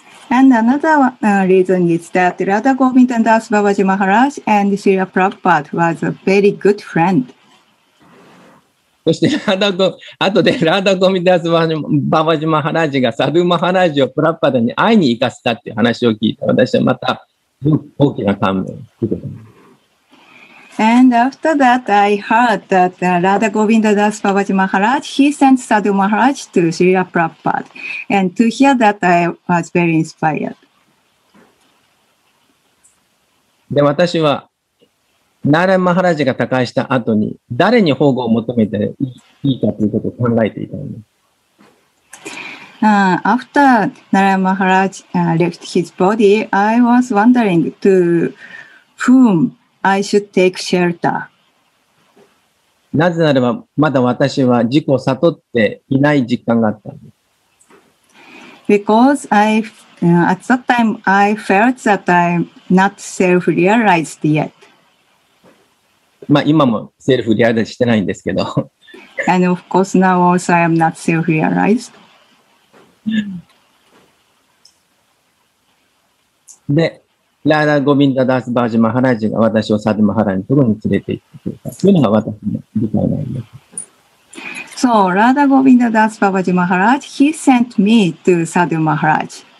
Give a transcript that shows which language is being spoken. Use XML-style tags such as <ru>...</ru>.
<en>And another reason is that ラーダ・ゴミンダ・ダース・バージュ・マハラジ and シリア・プラブパーダ was a very good friend.</en> <ja>そして、ラーダ・ゴミンダ・ダース・バージュ・マハラジがサドゥ・マハラジをプラブパーダに会いに行かせたっていう話を聞いた。私はまた大きな感銘を受けた。</ja> <en>And after that, I heard that Radha Govinda Das Babaji Maharaj, he sent Sadhu Maharaj to Srila Prabhupada. And to hear that, I was very inspired.</en> <ja>で、私は、ナーラン・マハラジが他界した後に、誰に保護を求めていいかということを考えていたのね。</ja> <en>After Nara Maharaj left his body, I was wondering to whom I should take shelter.</en> <ja>なぜならば、まだ私は自己を悟っていない実感があったんです。</ja> <en>Because I, at that time, I felt that I'm not self-realized yet.</en> <ja>まあ、今もセルフリアライズしてないんですけど。</ja> <en>And of course, now also I am not self-realized.</en> <ja>で、ラーダ・ゴビンダ・ダース・バージ・マハラジが私をサドゥ・マハラジのところに連れて行ってくれたというのが私の理解なんです。</ja> <en>So, ラーダ・ゴビンダ・ダース・ババジ・マハラジ、he sent me to サドゥ・マハラジ。</en>